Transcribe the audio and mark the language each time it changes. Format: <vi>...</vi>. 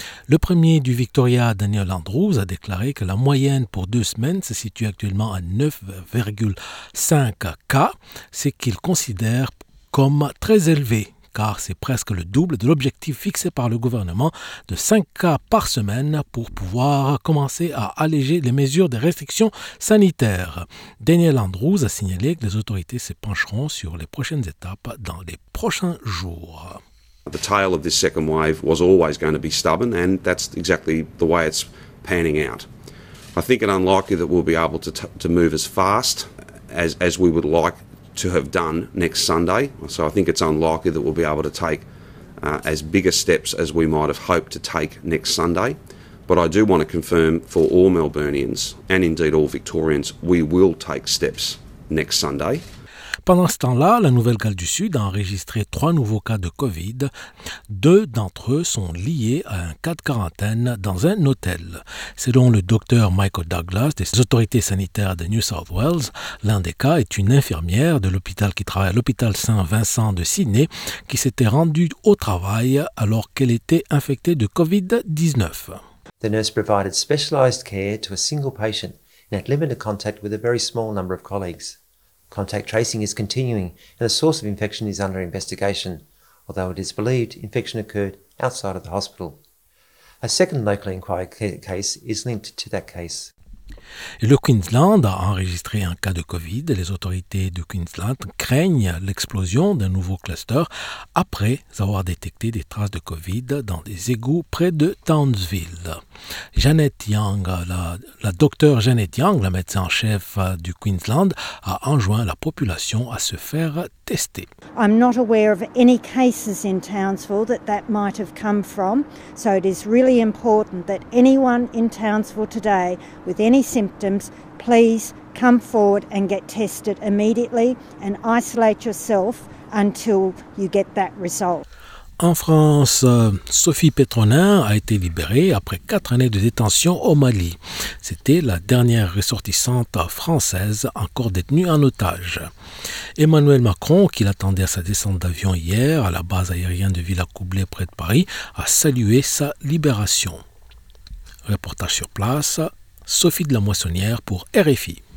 <fr>Le premier du Victoria, Daniel Andrews, a déclaré que la moyenne pour deux semaines se situe actuellement à 9,5 cas, ce qu'il considère comme très élevé, car c'est presque le double de l'objectif fixé par le gouvernement de 5 cas par semaine pour pouvoir commencer à alléger les mesures de restrictions sanitaires. Daniel Andrews a signalé que les autorités se pencheront sur les prochaines étapes dans les prochains jours.</fr> <en>The tail of this second wave was always going to be stubborn, and that's exactly the way it's panning out. I think it's unlikely that we'll be able to move as fast as we would like to have done next Sunday. So I think it's unlikely that we'll be able to take as big a steps as we might have hoped to take next Sunday. But I do want to confirm for all Melburnians, and indeed all Victorians, we will take steps next Sunday.</en> <fr>Pendant ce temps-là, la Nouvelle-Galles du Sud a enregistré 3 nouveaux cas de COVID. 2 d'entre eux sont liés à un cas de quarantaine dans un hôtel. Selon le docteur Michael Douglas des autorités sanitaires de New South Wales, l'un des cas est une infirmière de l'hôpital qui travaille à l'hôpital Saint-Vincent de Sydney qui s'était rendue au travail alors qu'elle était infectée de COVID-19.</fr> <en>The nurse provided specialized care to a single patient and had limited contact with a very small number of colleagues. Contact tracing is continuing and the source of infection is under investigation, although it is believed infection occurred outside of the hospital. A second local inquiry case is linked to that case.</en> <fr>Le Queensland a enregistré un cas de COVID. Les autorités du Queensland craignent l'explosion d'un nouveau cluster après avoir détecté des traces de COVID dans des égouts près de Townsville. La docteure Janet Young, la médecin en chef du Queensland, a enjoint la population à se faire tester.</fr> <en>I'm not aware of any cases in Townsville that might have come from. So it is really important that anyone in Townsville today with any symptoms, please come forward and get tested immediately and isolate yourself until you get that result.</en> <fr>En France, Sophie Pétronin a été libérée après 4 années de détention au Mali. C'était la dernière ressortissante française encore détenue en otage. Emmanuel Macron, qui l'attendait à sa descente d'avion hier à la base aérienne de Villacoublay près de Paris, a salué sa libération. Reportage sur place, Sophie de la Moissonnière pour RFI.</fr>